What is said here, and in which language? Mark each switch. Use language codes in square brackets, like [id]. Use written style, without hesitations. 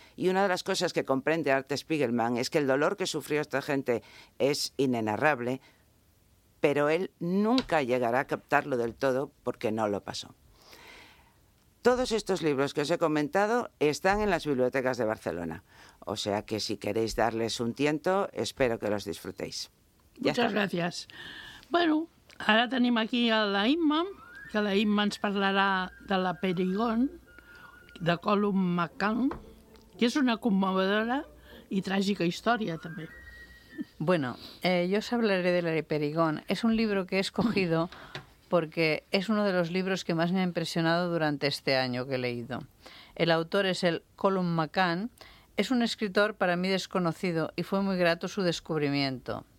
[es] Y una de las cosas que comprende Art Spiegelman es que el dolor que sufrió esta gente es inenarrable, pero él nunca llegará a captarlo del todo porque no lo pasó. Todos estos libros que os he comentado están en las bibliotecas de Barcelona. O sea que si queréis darles un tiento, espero que los disfrutéis. Ya Muchas está. Gracias. [ca] Bueno, [es] ahora tenemos aquí a la Imma, [ca] que la Imma ens parlarà de La Perigón, de Colum McCallum, que és una conmovedora i tràgica història, també. [es] Bueno, yo os hablaré de La Perigón. Es un libro que he escogido porque es uno de los libros que más me ha impresionado durante este año que he leído. El autor es el Colum McCallum. Es un escritor para mí desconocido y fue muy grato su descubrimiento.